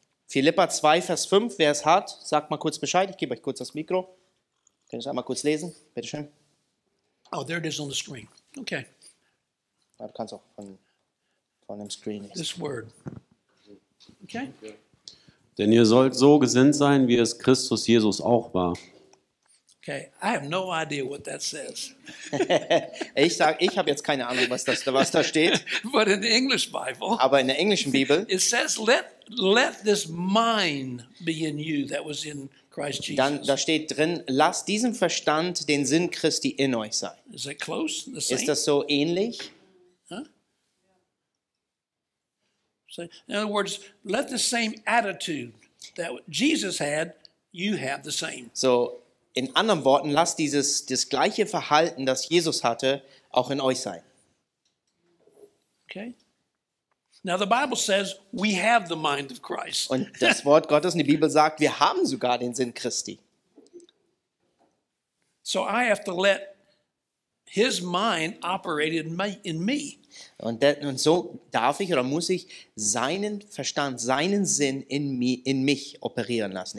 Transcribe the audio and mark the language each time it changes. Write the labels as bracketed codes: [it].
[de] Philippa 2 Vers 5, wer es hat, sagt mal kurz Bescheid, ich gebe euch kurz das Mikro. Könnt ihr es einmal kurz lesen? Bitte schön. [en] Oh, there it is on the screen. Okay. [de] Ja, du kannst auch von dem Screen lesen. [en] This word. Okay. [de] Denn ihr sollt so gesinnt sein, wie es Christus Jesus auch war. [en] Okay, I have no idea what that says. [de] ich habe jetzt keine Ahnung, was da steht. [en] But in the English Bible. [de] Aber in der englischen Bibel. [en] It says let this mind be in you that was in Christ Jesus. [de] Dann da steht drin, lass diesen Verstand den Sinn Christi in euch sein. [en] Is that close? The same? [de] Ist das so ähnlich? Huh? [en] So, in other words, let the same attitude that Jesus had, you have the same. [de] So in anderen Worten, lasst das gleiche Verhalten, das Jesus hatte, auch in euch sein. [en] Okay. Now the Bible says we have the mind of Christ. [de] Und das Wort Gottes in der Bibel sagt, wir haben sogar den Sinn Christi. [en] So I have to let his mind operate in me. [de] Und so darf ich oder muss ich seinen Verstand, seinen Sinn in mich operieren lassen.